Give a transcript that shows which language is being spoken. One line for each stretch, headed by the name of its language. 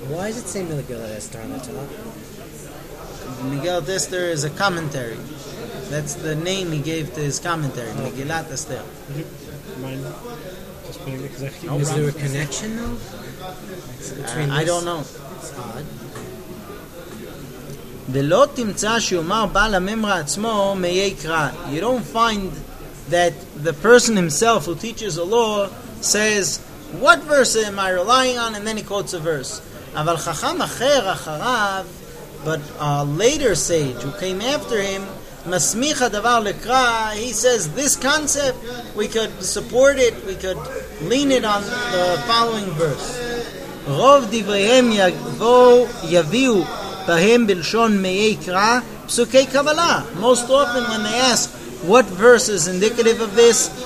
English: Why does it say Megillat Esther on the Talmud? Megillat Esther is a commentary. That's the name he gave to his commentary. Okay. Megillat Esther. Mind just putting it, no, is there a connection though? I don't know. It's odd.
Hebrew: ולא תמצא שיאמר בעל הממרא עצמו מייקרא.
English: You don't find that the person himself who teaches a law says, what verse am I relying on? And then he quotes a verse.
Hebrew: אבל חכם אחר אחריו,
English: but a later sage who came after him,
Hebrew: מסמיך הדבר לקרא,
English: he says, this concept, we could support it, we could lean it on the following verse.
Hebrew: רוב דבריהם יביאו בהם בלשון מייקרא פסוקי קבלה.
English: Most often when they ask, what verse is indicative of this?